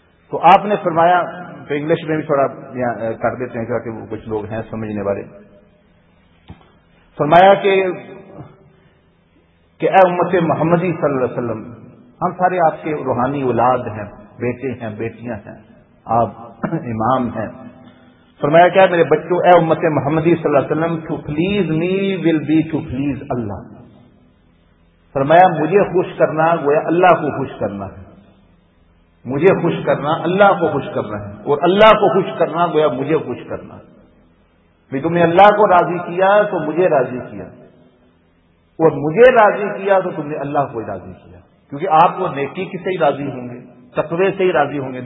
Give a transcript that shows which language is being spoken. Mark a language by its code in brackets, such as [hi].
[ur] تو آپ نے فرمایا, تو انگلش میں بھی تھوڑا کر دیتے ہیں کیونکہ وہ کچھ لوگ ہیں سمجھنے والے. فرمایا کہ اے امت محمدی صلی اللہ علیہ وسلم, ہم سارے آپ کے روحانی اولاد ہیں, بیٹے ہیں, بیٹیاں ہیں, آپ امام ہیں. فرمایا کیا میرے بچوں, اے امت محمدی صلی اللہ علیہ وسلم, [en] To please me will be to please Allah. [ur] فرمایا مجھے خوش کرنا گویا اللہ کو خوش کرنا ہے, مجھے خوش کرنا اللہ کو خوش کرنا ہے, اور اللہ کو خوش کرنا گویا مجھے خوش کرنا ہے. بھائی تم نے اللہ کو راضی کیا تو مجھے راضی کیا, اور مجھے راضی کیا تو تم نے اللہ کو راضی کیا, کیونکہ آپ کو نیکی کی سے ہی راضی ہوں گے, تقوی سے ہی راضی ہوں گے.